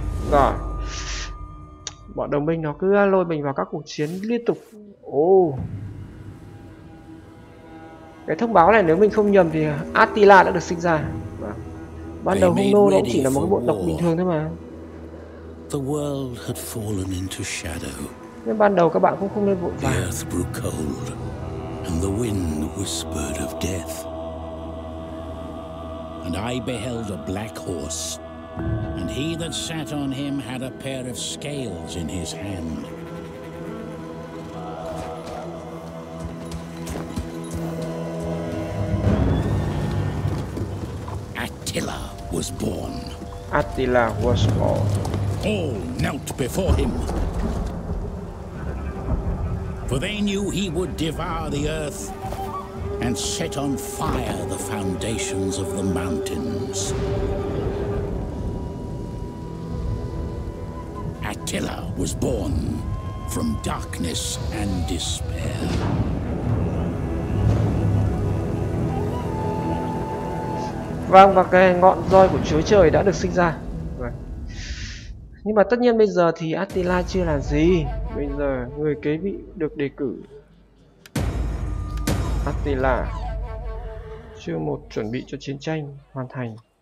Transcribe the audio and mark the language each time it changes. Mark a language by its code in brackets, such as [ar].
[vi] Rồi. Bọn đồng minh nó cứ lôi mình vào các cuộc chiến liên tục. Ồ. Oh. Cái thông báo này nếu mình không nhầm thì Attila đã được sinh ra. Ban đầu Hung Nô nó chỉ là một cái bộ tộc bình thường thôi mà. [en] The world had fallen into shadow. [vi] Nhưng ban đầu các bạn cũng không nên vội vàng. [en] The earth grew cold and the wind whispered of death. And I beheld a black horse. And he that sat on him had a pair of scales in his hand. Attila was born. Attila was born. All knelt before him. For they knew he would devour the earth and set on fire the foundations of the mountains. Attila was born from darkness and despair. [vi] Vâng, và cái ngọn roi của Chúa Trời đã được sinh ra. Vâng. Nhưng mà tất nhiên bây giờ thì Attila chưa là gì. Bây giờ người kế vị được đề cử. Attila. Chưa một chuẩn bị cho chiến tranh hoàn thành.